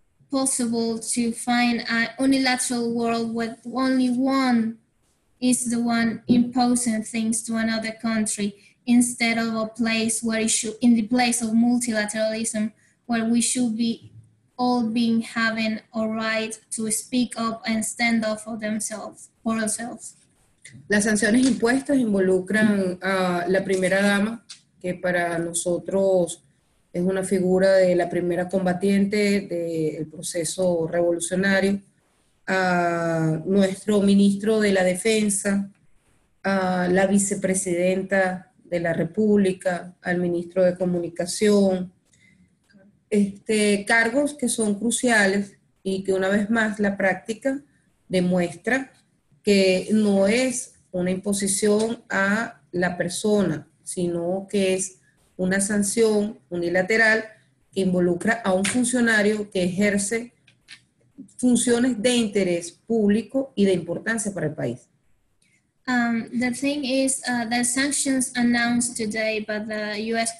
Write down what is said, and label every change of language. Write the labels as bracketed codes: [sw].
[en] possible to find a unilateral world where only one is the one imposing things to another country, instead of a place where it should, in the place of multilateralism, where we should be all being having a right to speak up and stand up for themselves, for ourselves. [es] Las sanciones impuestas involucran a la primera dama, que para nosotros es una figura de la primera combatiente del proceso revolucionario, a nuestro ministro de la defensa, a la vicepresidenta de la República, al ministro de comunicación, cargos que son cruciales y que una vez más la práctica demuestra que no es una imposición a la persona, sino que es una sanción unilateral que involucra a un funcionario que ejerce funciones de interés público y de importancia para el país. [en] The thing is, the sanctions announced today by the U.S.